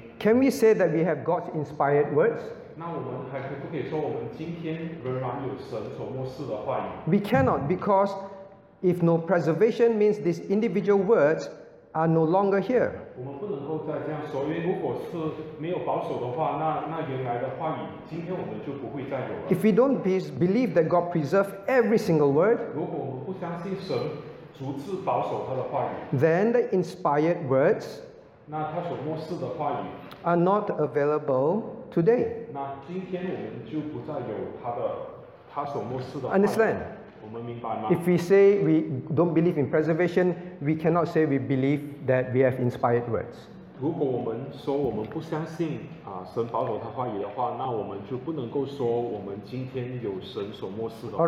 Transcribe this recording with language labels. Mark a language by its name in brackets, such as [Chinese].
[English] can we say that we have God's inspired words? [Chinese] 那我们还可不可以说我们今天仍然有神所默示的话语? [English] We cannot, because if no preservation means these individual words are no longer here. [Chinese] 我们不能够再这样说, 因为如果是没有保守的话, 那原来的话语, 今天我们就不会再有了。 [English] If we don't believe that God preserved every single word, [Chinese] 如果我们不相信神,逐次保守他的话语。 [English] Then the inspired words [Chinese] 那他所默示的话语 [English] are not available today. [Chinese] 那今天我们就不再有他的他所默示的话语。 [English] Understand? [Chinese] 我们明白吗？ [English] If we say we don't believe in preservation, we cannot say we believe that we have inspired words. [Chinese] 如果我们说我们不相信神保守他话语的话，那我们就不能够说我们今天有神所默示的话语。